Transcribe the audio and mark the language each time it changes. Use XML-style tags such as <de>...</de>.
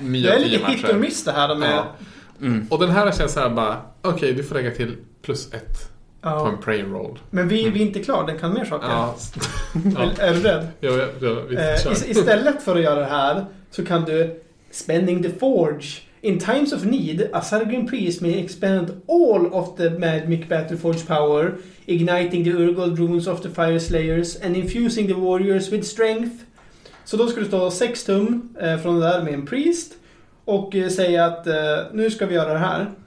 <sv>Det är lite hit och miss det här med... Och den här känns såhär bara, okej, du får lägga till plus ett på en prayer roll. Men vi är inte klara, den kan mer saker. Ja. Är du rädd? Istället för att göra det här så kan du</sv> <en>spending the forge. In times of need, a Sargon priest may expend all of the magic battle forge power, igniting the Urgold runes of the fire slayers and infusing the warriors with strength.</en> <sv>Så då skulle du ta 6 tum från det där med en priest. Och säga att nu ska vi göra det här.</sv>